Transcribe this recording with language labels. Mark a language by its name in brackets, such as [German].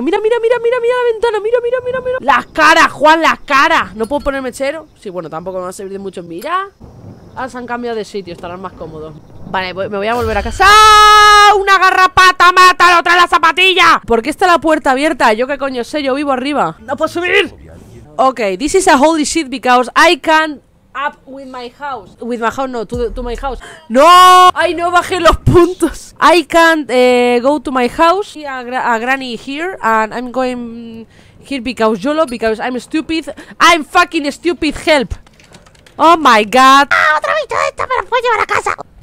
[Spanish] Mira la ventana. Mira. ¡Las caras, Juan! ¡Las caras! ¿No puedo poner mechero? Sí, bueno, tampoco me va a servir de mucho. Mira. Ah, se han cambiado de sitio. Estarán más cómodos. Vale, me voy a volver a casa. ¡Ah! ¡Una garrapata! ¡Mátalo! ¡Trae la zapatilla! ¿Por qué está la puerta abierta? ¿Yo qué coño sé? Yo vivo arriba. ¡No puedo subir! [English] Ok, this is a holy shit because I can't. Up with my house. With my house, no, to my house. [Spanish] ¡No! ¡Ay, no, bajé los puntos! [English] I can't go to my house. A granny here. And I'm going here because YOLO. Because I'm stupid. I'm fucking stupid, help. Oh my god. [Spanish] ¡Ah, otra vez todo esto! ¡Me lo puedo llevar a casa!